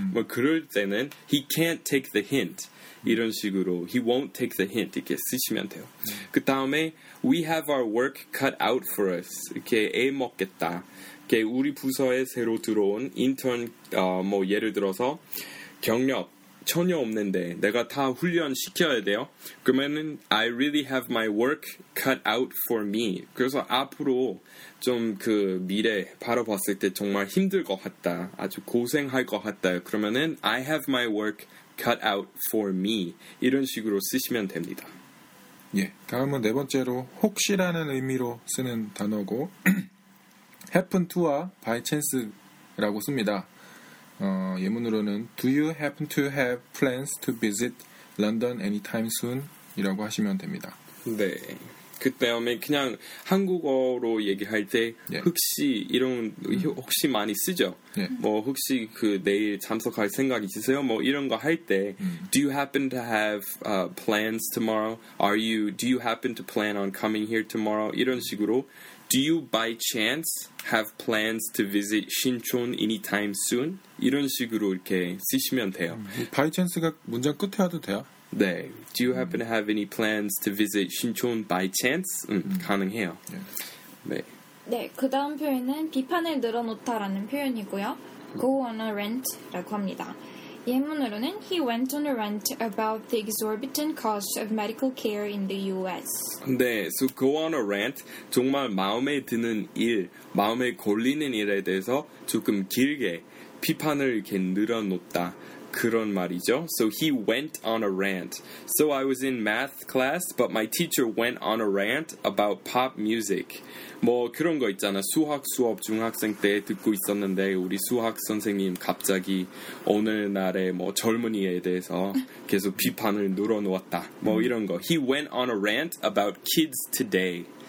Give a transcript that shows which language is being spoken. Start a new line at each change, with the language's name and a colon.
Korean: 뭐 그럴 때는
English: he can't take the hint.
Korean: 이런 식으로
English: he won't take the hint 이렇게 쓰시면 돼요.
Korean: 그 다음에
English: we have our work cut out for us
Korean: 이렇게 애 먹겠다. 이렇게 우리 부서에 새로 들어온 인턴 뭐 예를 들어서 경력 전혀 없는데 내가 다 훈련 시켜야 돼요. 그러면은
English: I really have my work cut out for me.
Korean: 그래서 앞으로 좀 그 미래 바라봤을 때 정말 힘들 것 같다. 아주 고생할 것 같다. 그러면은
English: I have my work cut out for me
Korean: 이런 식으로 쓰시면 됩니다. 예, 다음은 네 번째로 혹시라는 의미로 쓰는 단어고 happen to와 by chance라고 씁니다. 예문으로는
English: Do you happen to have plans to visit London anytime soon?
Korean: 이라고 하시면 됩니다. 네. 그 다음에 그냥 한국어로 얘기할 때 혹시 이런 혹시 많이 쓰죠. 뭐 혹시 그 내일 참석할 생각 있으세요? 뭐 이런 거 할 때
English: Do you happen to have plans tomorrow? Do you happen to plan on coming here tomorrow?
Korean: 이런 식으로
English: Do you by chance have plans to visit 신촌 anytime soon?
Korean: 이런 식으로 이렇게 쓰시면 돼요. By chance가 문장 끝에 와도 돼요?
English: 네. Do you happen to have any plans to visit 신촌 by chance?
Korean: 가능해요.
English: Yeah.
Korean: 네. 네, 그 다음 표현은 비판을 늘어놓다라는 표현이고요.
English: Go on a rant
Korean: 라고 합니다. 예문으로는
English: He went on a rant about the exorbitant cost of medical care in the U.S. 네, so go on a rant.
Korean: 정말 마음에 드는 일, 마음에 걸리는 일에 대해서 조금 길게 비판을 이렇게 늘어놓다. 그런 말이죠.
English: So he went on a rant. So I was in math class, but my teacher went on a rant about pop music.
Korean: 뭐 그런 거 있잖아. 수학 수업 중학생 때 듣고 있었는데 우리 수학 선생님 갑자기 오늘날의 뭐 젊은이에 대해서 계속 비판을 늘어놓았다. 뭐 이런 거.
English: He went on a rant about kids today.